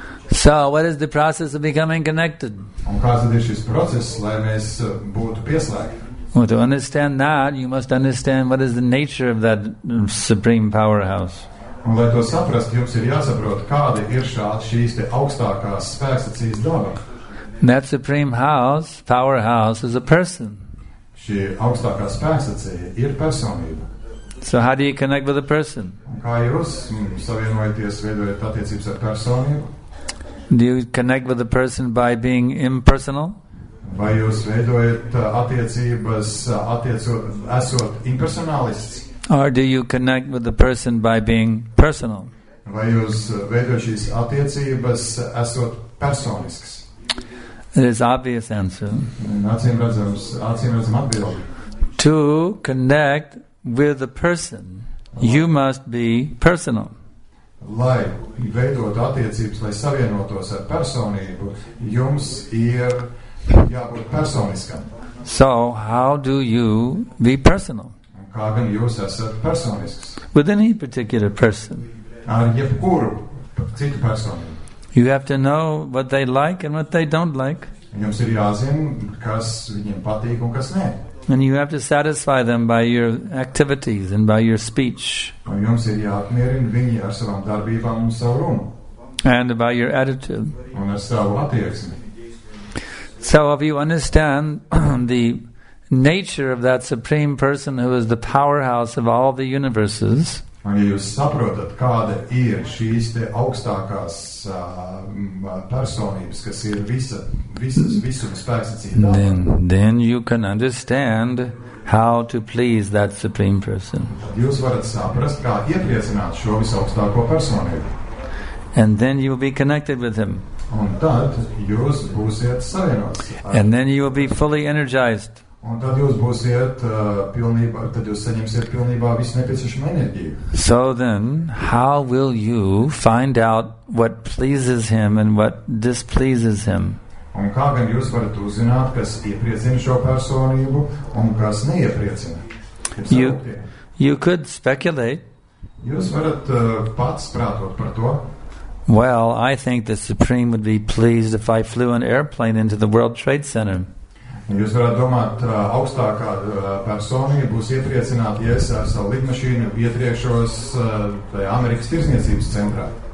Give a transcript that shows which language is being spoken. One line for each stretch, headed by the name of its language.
English: So, what is the process of becoming connected? Well, to understand that, you must understand what is the nature of that supreme powerhouse.
Latvian: Un lai to saprast, jums ir jāsaprot, kāda ir šīs te augstākās spēksacīs daba.
English: That supreme house, powerhouse, is a person.
Latvian: Šī augstākā spēksacīja ir personība.
English: So how do you connect with a person?
Latvian: Un kā jūs savienojaties, veidojot attiecības ar personību?
English: Do you connect with a person by being impersonal?
Latvian: Vai jūs veidojat attiecības, esot impersonalists?
English: Or do you connect with the person by being personal?
Latvian: Vai jūs veidot šīs attiecības esot personisks?
English: It is obvious answer.
Latvian: Acīmredzama atbilde.
English: To connect with the person, you must be personal.
Latvian: Lai veidot attiecības, lai savienotos ar personību, jums ir jābūt personiskam.
English: So, how do you be personal?
Latvian: Kā gan jūs esat personisks?
English: With any particular person.
Latvian: Ar jebkuru citu personu.
English: You have to know what they like and what they don't like.
Latvian: Jums ir jāzin, kas viņiem patīk un kas nē.
English: And you have to satisfy them by your activities and by your speech.
Latvian: Un jums ir jāapmierina viņi ar savām darbībām un savu runu.
English: And by your attitude.
Latvian: Un ar savu attieksmi.
English: So if you understand the nature of that supreme person who is the powerhouse of all the universes.
Latvian: Un ja jūs saprotat, kāda ir šīs te augstākās personības, kas ir visuma spēksacīja daba.
English: Then you can understand how to please that supreme person.
Latvian: Jūs varat saprast, kā iepriecināt šo visaugstāko personību.
English: And then you will be connected with him.
Latvian: Un tad jūs būsiet savienots.
English: And then you will be fully energized.
Latvian: Un tad jūs būsiet pilnībā, tad jūs saņemsiet pilnībā visu nepieciešamo enerģiju.
English: So then, how will you find out what pleases him and what displeases him?
Latvian: Un kā gan jūs varat uzzināt, kas iepriecina šo personību un kas neiepriecina?
English: You could speculate.
Latvian: Jūs varat pats prātot par to.
English: Well, I think the Supreme would be pleased if I flew an airplane into the World Trade Center.
Latvian: Jūs varat domāt, augstākā personība būs iepriecināta, ja es ar savu lidmašīnu ietriekšos Amerikas tirdzniecības centrā.